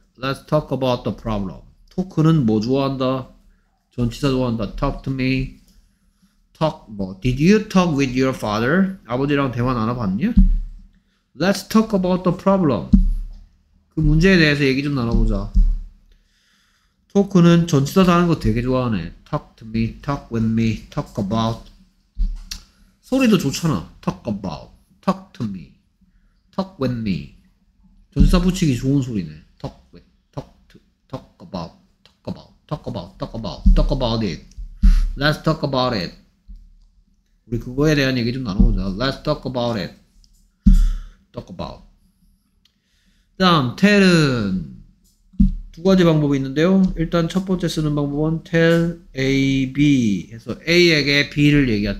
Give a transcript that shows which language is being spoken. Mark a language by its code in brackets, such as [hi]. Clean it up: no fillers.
[en] Let's talk about the problem. [ko] 토크는 뭐 좋아한다? 전치사 좋아한다. [en] Talk to me. Talk. 뭐. Did you talk with your father? [ko] 아버지랑 대화 나눠봤냐? [en] Let's talk about the problem. [ko] 그 문제에 대해서 얘기 좀 나눠보자. 토크는 전치사 사는 거 되게 좋아하네. [en] Talk to me, talk with me, talk about. [ko] 소리도 좋잖아. [en] Talk about, talk to me, talk with me. [ko] 전치사 붙이기 좋은 소리네. [en] Talk with, talk to, talk about, talk about, talk about, talk about, talk about it. Let's talk about it. [ko] 우리 그거에 대한 얘기 좀 나눠보자. [en] Let's talk about it. Talk about. [ko] 다음 tell은 두 가지 방법이 있는데요. 일단 첫 번째 쓰는 방법은 tell A, B 해서 A에게 B를 얘기하.